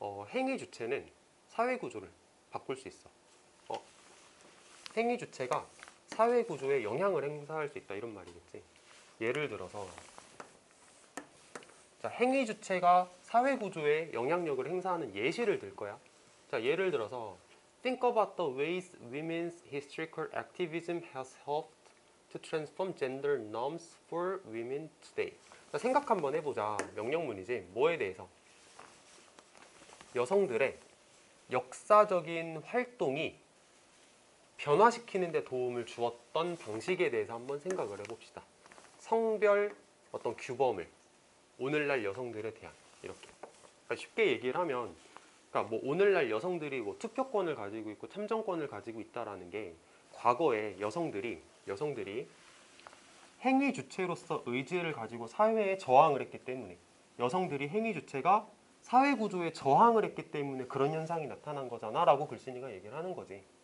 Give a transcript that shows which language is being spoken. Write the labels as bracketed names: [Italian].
[Korean] 행위 주체는 사회 구조를 바꿀 수 있어. 행위 주체가 사회 구조에 영향을 행사할 수 있다. 이런 말이겠지. 예를 들어서 자, 행위 주체가 사회 구조에 영향력을 행사하는 예시를 들 거야. 자, 예를 들어서 [English] Think about the ways women's historical activism has helped to transform gender norms for women today. [Korean] 자, 생각 한번 해보자. 명령문이지. 뭐에 대해서? 여성들의 역사적인 활동이 변화시키는 데 도움을 주었던 방식에 대해서 한번 생각을 해봅시다. 성별 어떤 규범을 오늘날 여성들에 대한 이렇게 그러니까 쉽게 얘기를 하면 그러니까 뭐 오늘날 여성들이 뭐 투표권을 가지고 있고 참정권을 가지고 있다라는 게 과거에 여성들이 행위 주체로서 의지를 가지고 사회에 저항을 했기 때문에 여성들이 행위 주체가 사회구조에 저항을 했기 때문에 그런 현상이 나타난 거잖아 라고 글쓴이가 얘기를 하는 거지.